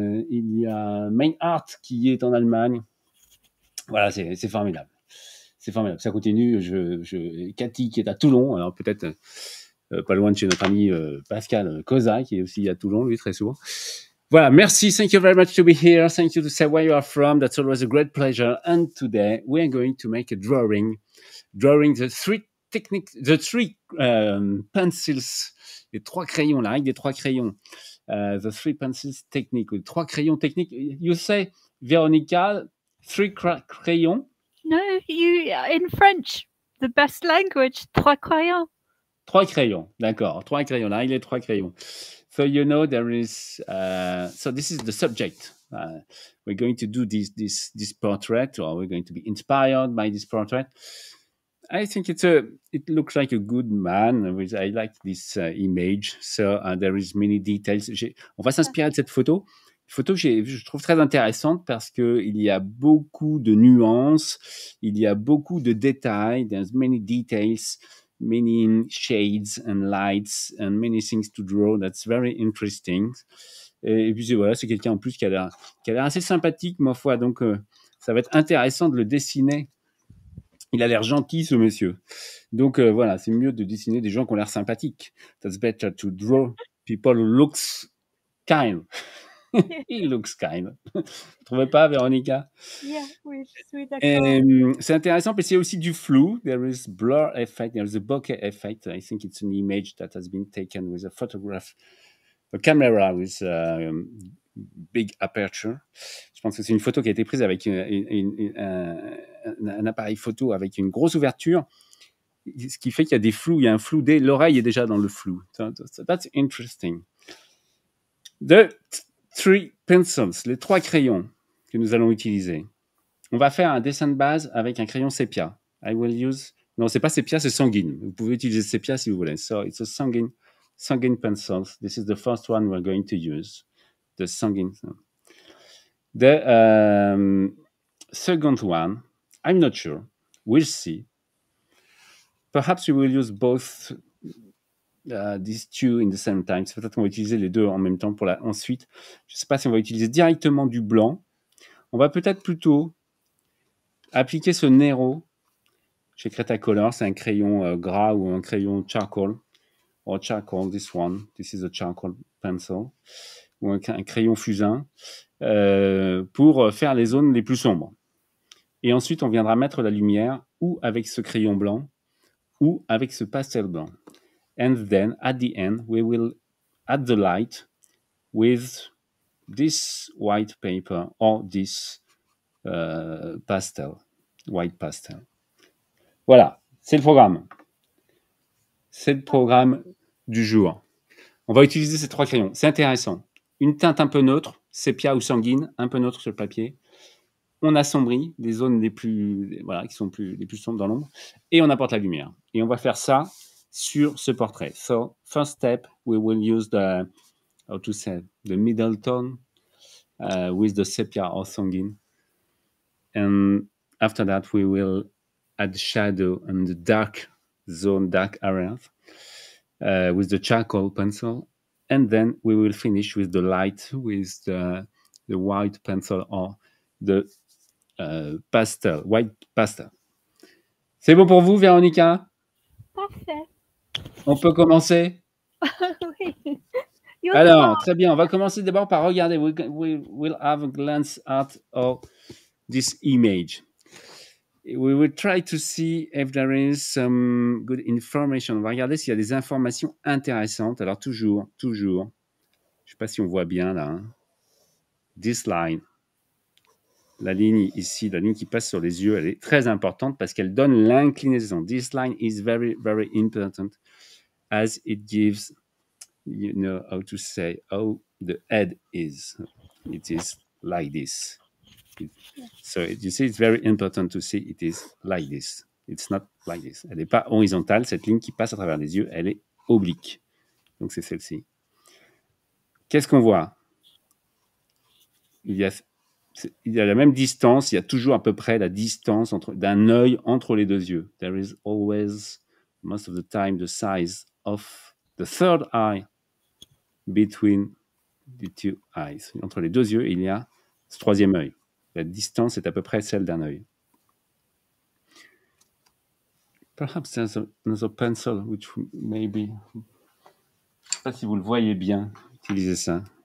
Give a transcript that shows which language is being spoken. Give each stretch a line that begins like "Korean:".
French: Il y a Main Art qui est en Allemagne. Voilà, c'est formidable. C'est formidable, ça continue. Cathy qui est à Toulon, alors peut-être... pas loin de chez notre ami Pascal Cosa, qui est aussi à Toulon, lui, très souvent. Voilà, merci.
English: Thank you very much to be here. Thank you to say where you are from. That's always a great pleasure. And today, we are going to make a drawing. Drawing the three techniques, the three pencils,
French: les trois crayons, la règle des trois crayons.
English: The three pencils technique,
French: les trois crayons techniques.
English: You say, Véronica, three crayons? No, you in French, the best language,
French: trois crayons. Trois crayons, d'accord. Trois crayons, là, il est trois crayons.
English: So you know there is, so this is the subject. We're going to do this portrait, or we're going to be inspired by this portrait. I think it looks like a good man. I like this image. So there is many details.
French: On va s'inspirer de cette photo. Photo que je trouve très intéressante parce que il y a beaucoup de nuances, il y a beaucoup de détails.
English: There's many details. Many shades and lights and many things to draw. That's very interesting.
French: Et puis voilà, c'est quelqu'un en plus qui a l'air assez sympathique, ma foi. Donc, ça va être intéressant de le dessiner. Il a l'air gentil, ce monsieur. Donc, voilà, c'est mieux de dessiner des gens qui ont l'air sympathiques.
English: That's better to draw people who looks kind. He looks kind.
French: Vous trouvez pas,
English: Véronica?
French: Yeah, oui, d'accord. C'est intéressant, mais c'est aussi du flou.
English: There is blur effect, there is a bokeh effect. I think it's an image that has been taken with a photograph, a camera with a big aperture.
French: Je pense que c'est une photo qui a été prise avec un appareil photo avec une grosse ouverture, ce qui fait qu'il y a des flous, il y a un flou dès l'oreille est déjà dans le flou.
English: So that's interesting. Three pencils,
French: les trois crayons que nous allons utiliser. On va faire un dessin de base avec un crayon sépia.
English: I will use...
French: Non, ce n'est pas sépia, c'est sanguine. Vous pouvez utiliser sépia si vous voulez.
English: So, it's a sanguine pencil. This is the first one we're going to use. The sanguine. The second one, I'm not sure. We'll see. Perhaps we will use both these two in the same time.
French: C'est peut-être qu'on va utiliser les deux en même temps pour la ensuite. Je ne sais pas si on va utiliser directement du blanc. On va peut-être plutôt appliquer ce Nero chez Cretacolor. C'est un crayon gras ou un crayon charcoal.
English: Or charcoal, this one. This is a charcoal pencil.
French: Ou un crayon fusain pour faire les zones les plus sombres. Et ensuite, on viendra mettre la lumière ou avec ce crayon blanc ou avec ce pastel blanc.
English: And then, at the end, we will add the light with this white paper or this pastel, white pastel.
French: Voilà, c'est le programme. C'est le programme du jour. On va utiliser ces trois crayons. C'est intéressant. Une teinte un peu neutre, sépia ou sanguine, un peu neutre sur le papier. On assombrit les zones les plus, voilà, qui sont plus, les plus sombres dans l'ombre. Et on apporte la lumière. Et on va faire ça sur ce portrait.
English: So, first step, we will use the, how to say, the middle tone with the sepia or sanguine. And after that, we will add shadow and the dark zone, dark areas with the charcoal pencil. And then we will finish with the light, with the white pencil or the pastel, white pastel.
French: C'est bon pour vous, Véronica? Parfait. On peut commencer? Oui. Alors, très bien. On va commencer d'abord par regarder.
English: We will have a glance at all this image. We will try to see if there is some good information.
French: On va regarder s'il y a des informations intéressantes. Alors, toujours. Je ne sais pas si on voit bien là. Hein.
English: This line.
French: La ligne ici, la ligne qui passe sur les yeux, elle est très importante parce qu'elle donne l'inclinaison.
English: This line is very, very important as it gives, you know, how to say, how the head is. It is like this. So, you see, it's very important to see it is like this. It's not like this.
French: Elle n'est pas horizontale. Cette ligne qui passe à travers les yeux, elle est oblique. Donc, c'est celle-ci. Qu'est-ce qu'on voit? Il y a la même distance, il y a toujours à peu près la distance d'un œil entre les deux yeux.
English: There is always, most of the time, the size of the third eye between the two eyes.
French: Entre les deux yeux, il y a ce troisième œil. La distance est à peu près celle d'un œil.
English: Perhaps there's another pencil, which maybe...
French: Je ne sais pas si vous le voyez bien, utilisez ça.